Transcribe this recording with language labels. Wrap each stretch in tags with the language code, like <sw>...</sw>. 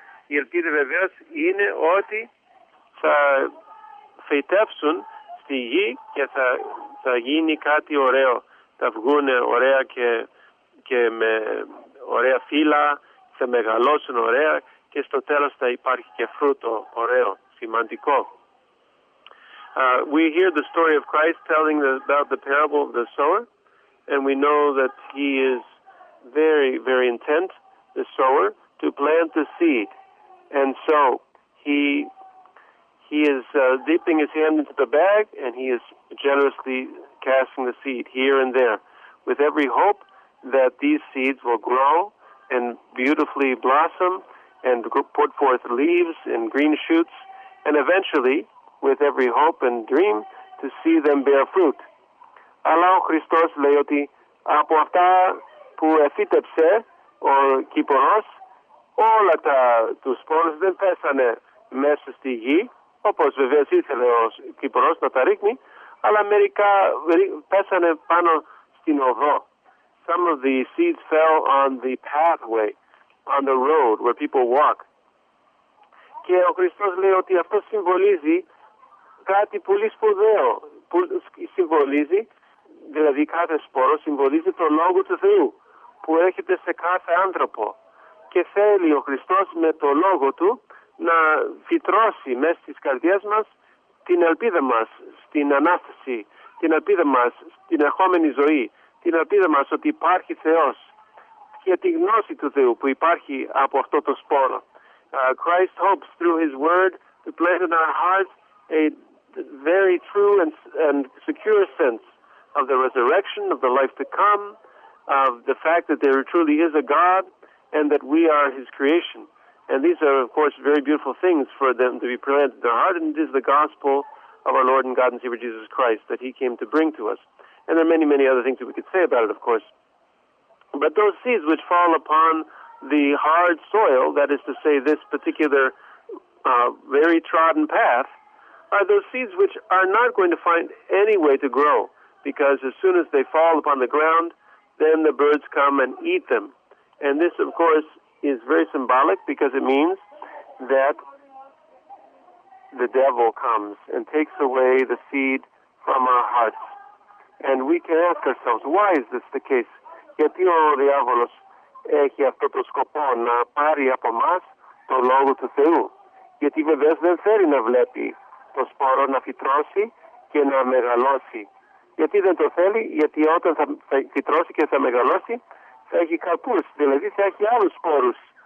<el>Η ελπίδα βεβαίως είναι ότι θα φυτέψουν στη γη και θα γίνει κάτι ωραίο. Θα βγουν ωραία και με ωραία φύλλα, θα μεγαλώσουν ωραία και στο τέλος θα υπάρχει και φρούτο ωραίο, σημαντικό.</el> <en>We hear the story of Christ telling about the parable of the sower, and we know that he is very, very intent, the sower, to plant the seed. And so he is dipping his hand into the bag, and he is generously casting the seed here and there, with every hope that these seeds will grow and beautifully blossom and put forth leaves and green shoots, and eventually, with every hope and dream, to see them bear fruit.</en> <el>Αλλά ο Χριστός λέει ότι από αυτά που εφύτεψε ο κυπουρός, όλα τους σπόρους δεν πέσανε μέσα στη γη, όπως βεβαίως ήθελε ο κυπουρός να τα ρίχνει, αλλά μερικά πέσανε πάνω στην οδό.</el> <en>Some of the seeds fell on the pathway, on the road where people walk.</en> <el>Και ο Χριστός λέει ότι αυτό συμβολίζει κάτι πολύ σπουδαίο, που συμβολίζει, δηλαδή κάθε σπόρο συμβολίζει το Λόγο του Θεού που έρχεται σε κάθε άνθρωπο και θέλει ο Χριστός με το Λόγο Του να φυτρώσει μέσα στις καρδιές μας την ελπίδα μας στην Ανάσταση, την ελπίδα μας στην ερχόμενη ζωή, την ελπίδα μας ότι υπάρχει Θεός και τη γνώση του Θεού που υπάρχει από αυτό το σπόρο.</el> <en>Christ hopes through His Word to plant in our hearts a very true and secure sense of the resurrection, of the life to come, of the fact that there truly is a God and that we are His creation. And these are, of course, very beautiful things for them to be planted in their heart, and it is the gospel of our Lord and God and Savior Jesus Christ that He came to bring to us. And there are many, many other things that we could say about it, of course. But those seeds which fall upon the hard soil, that is to say, this particular very trodden path, are those seeds which are not going to find any way to grow, because as soon as they fall upon the ground, then the birds come and eat them. And this, of course, is very symbolic, because it means that the devil comes and takes away the seed from our hearts. And we can ask ourselves, why is this the case?</en> <el>Γιατί ο διάβολος έχει αυτό το σκοπό να πάρει από μας το Λόγο του Θεού? Γιατί βεβαίως δεν θέλει να βλέπει το σπόρο να φυτρώσει και να μεγαλώσει. Γιατί δεν το θέλει? Γιατί όταν θα φυτρώσει και θα μεγαλώσει, θα έχει κακούς, δηλαδή θα έχει άλλους σπόρους.</el>